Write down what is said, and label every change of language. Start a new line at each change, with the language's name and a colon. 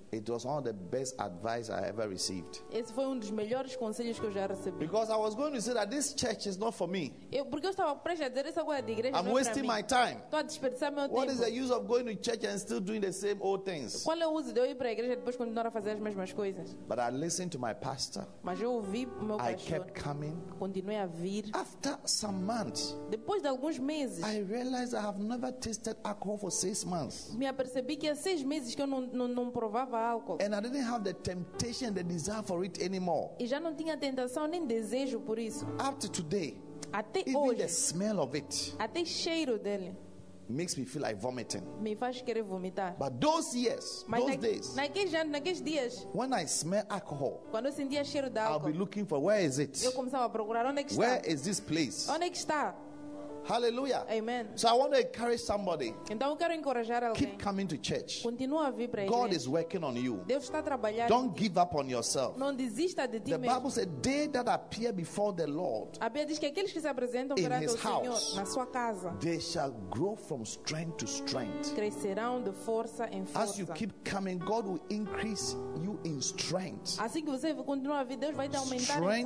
English: It was one of the best advice I ever received.
Portuguese: Esse foi dos melhores conselhos que eu já recebi.
English: Because I was going to say that this church is not for me.
Portuguese: Porque eu estava prestes a dizer essa coisa de igreja.
English: I'm wasting my time.
Portuguese: Estou a desperdiçar meu tempo.
English: What is the use of going to church and still doing the same? same old things.
Portuguese: Quando eu uso, eu ir para a igreja e depois continuar a fazer as mesmas coisas.
English: But I listened to my pastor.
Portuguese: Mas eu ouvi o meu pastor.
English: I kept coming.
Portuguese: Continuei a vir.
English: After some months.
Portuguese: Depois de alguns meses.
English: I realized I have never tasted alcohol for 6 months.
Portuguese: Me apercebi que há 6 meses que eu não provava álcool.
English: And I didn't have the temptation, the desire for it anymore.
Portuguese: E já não tinha tentação nem desejo por isso.
English: Up to today.
Portuguese: Até
English: even
Portuguese: hoje.
English: The smell of it.
Portuguese: Até cheiro dele.
English: Makes me feel like vomiting.
Portuguese: Me faz querer vomitar.
English: But those years,
Portuguese: mas
English: those days,
Portuguese: naqueles dias,
English: when I smell alcohol,
Portuguese: quando eu sentia cheiro de álcool,
English: I'll be looking for where is it.
Portuguese: Eu começava a procurar onde é que está.
English: Where is this place?
Portuguese: Onde é que está?
English: Hallelujah. Amen. So I want to encourage somebody.
Portuguese: Então eu quero encorajar alguém.
English: Keep coming to church.
Portuguese: Continua a vir para a igreja.
English: God is working on you.
Portuguese: Deus está trabalhando.
English: Don't give up on yourself.
Portuguese: Não desista de ti
English: the
Portuguese: mesmo.
English: The Bible says, "They that appear before the Lord."
Portuguese: A Bíblia diz que aqueles que se apresentam perante o Senhor na sua casa,
English: they shall grow from strength to strength.
Portuguese: Crescerão de força em força.
English: As you keep coming, God will increase you in strength.
Portuguese: Assim que você continuar a vir, Deus vai te aumentar em força.